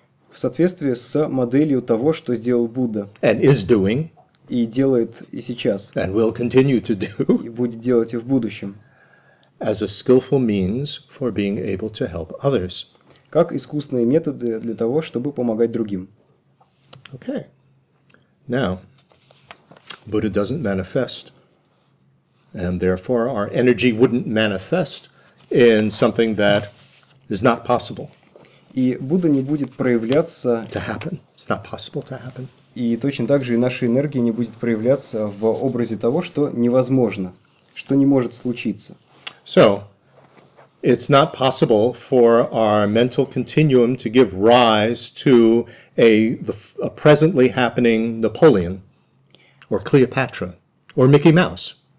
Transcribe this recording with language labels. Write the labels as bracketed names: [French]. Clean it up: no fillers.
[Russian] В соответствии с моделью того, что сделал Будда. [English] And is doing. [Russian] И делает и сейчас. [English] And will continue to do. [Russian] И будет делать и в будущем. [English] As a skillful means for being able to help others. [Russian] Как искусственные методы для того, чтобы помогать другим. [English] Okay. Now, Buddha doesn't manifest, and therefore our energy wouldn't manifest in something that is not possible. [Russian] И Будда не будет проявляться... [English] To happen. It's not possible to happen. [Russian] И точно так же и наша энергия не будет проявляться в образе того, что невозможно, что не может случиться. [English] So, it's not possible for our mental continuum to give rise to a presently happening Napoleon, or Cleopatra, or Mickey Mouse.